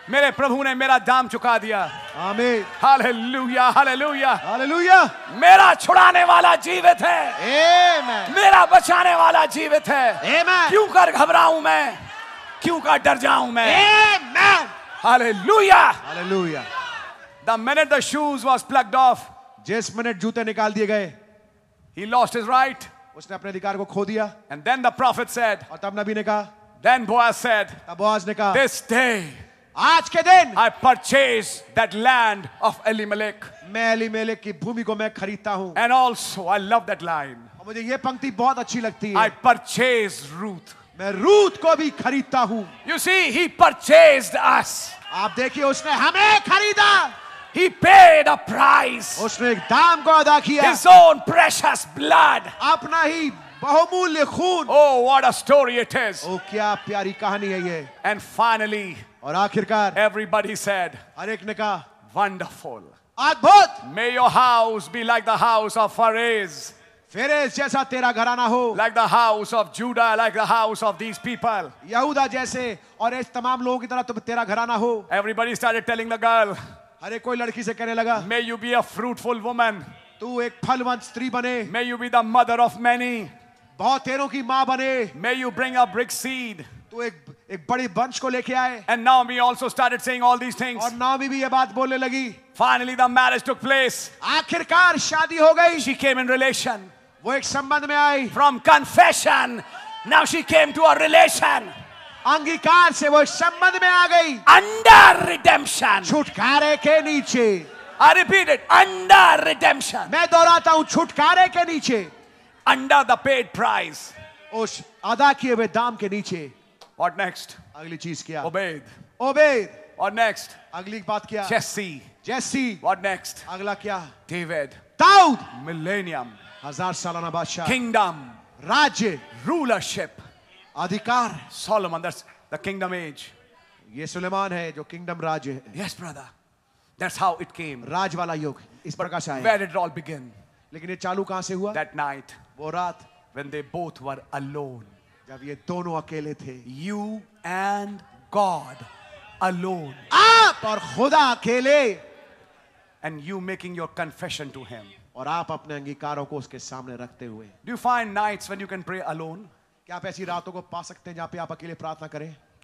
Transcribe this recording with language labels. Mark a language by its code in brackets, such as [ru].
[hi] मेरे प्रभु ने मेरा दाम चुका दिया। [en] Amen. Hallelujah, hallelujah. Hallelujah. [hi] मेरा छुड़ाने वाला जीवित है। [en] Amen. [hi] मेरा बचाने वाला जीवित है। [en] Amen. [hi] क्यों कर घबराऊं मैं, क्यों कर डर जाऊं मैं। [en] Amen. Hallelujah. Hallelujah. The minute the shoes was plucked off, [hi] जिस मिनट जूते निकाल दिए गए, [en] he lost his right. [hi] उसने अपने अधिकार को खो दिया। [en] And then the prophet said, [hi] और तब नबी ने कहा, [en] then Boaz said, [hi] तब बोआज ने कहा, [en] this day, [hi] आज के दिन, [en] I purchase that land of Elimelech. [hi] मैं Elimelech की भूमि को मैं खरीदता हूँ। [en] And also, I love that line. [hi] और मुझे ये पंक्ति बहुत अच्छी लगती है। [en] I purchase Ruth. [hi] मैं रूथ को भी खरीदता हूँ। [en] You see, he purchased us. [hi] आप देखिए, उसने हमें खरीदा। [en] He paid a price. [hi] उसने एक दाम को अदा किया। [en] His own precious blood. [hi] अपना ही बहुमूल्य खून। [en] Oh, what a story it is. [hi] ओ क्या प्यारी कहानी है ये। [en] And finally, [hi] और आखिरकार, [en] everybody said, [hi] हर एक ने कहा, [en] wonderful. [hi] अद्भुत। [en] May your house be like the house of Phares. [hi] फेरेस जैसा तेरा घराना हो। [en] Like the house of Judah, like the house of these people. [hi] यहूदा जैसे और इस तमाम लोगों की तरह तुम तेरा घराना हो। [en] Everybody started telling the girl. [hi] अरे कोई लड़की से कहने लगा, [en] May you be a fruitful woman. [hi] तू एक फलवंत स्त्री बने। [en] May you be the mother of many. [hi] बहुत तेरों की माँ बने। [en] May you bring a big seed. [hi] तू एक बड़ी बंच को लेके आए। [en] And now we also started saying all these things. [hi] और नाउ भी ये बात बोलने लगी। [en] Finally the marriage took place. [hi] आखिरकार शादी हो गई। [en] She came in relation. [hi] वो एक संबंध में आई। [en] From confession, now she came to a relation. [hi] अंगीकार से वो संबंध में आ गई। [en] Under redemption, [hi] छुटकारे के नीचे। [en] I repeat it, under redemption. [hi] मैं दोहराता हूँ, छुटकारे के नीचे। [en] Under the paid price, [hi] उस अदा किए हुए दाम के नीचे। [en] What next? [hi] अगली चीज क्या? [en] Obed. Obed. What next? [hi] अगली बात क्या? [en] Jesse. Jesse. What next? [hi] अगला क्या? [en] David. [hi] दाऊद। [en] Millennium. [hi] हजार सालाना बादशाह। [en] Kingdom. [hi] राज्य। [en] Rulership. [hi] अधिकार। [en] Solomon, that's the kingdom age. [hi] ये सुलेमान है जो किंगडम राज्य है। [en] Yes, brother. That's how it came. [hi] राज वाला युग इस प्रकार से आया। [en] Where did it all begin? [hi] लेकिन ये चालू कहाँ से हुआ? [en] That night. [hi] वो रात। [en] When they both were alone. [hi] जब ये दोनों अकेले थे। [en] You and God alone. [hi] आप और खुदा अकेले। [en] And you making your confession to Him. [hi] और आप अपने अंगीकारों को उसके सामने रखते हुए। [en] Do you find nights when you can pray alone? [hi] क्या आप ऐसी रातों को पा सकते हैं जहां पे आप अकेले प्रार्थना करें?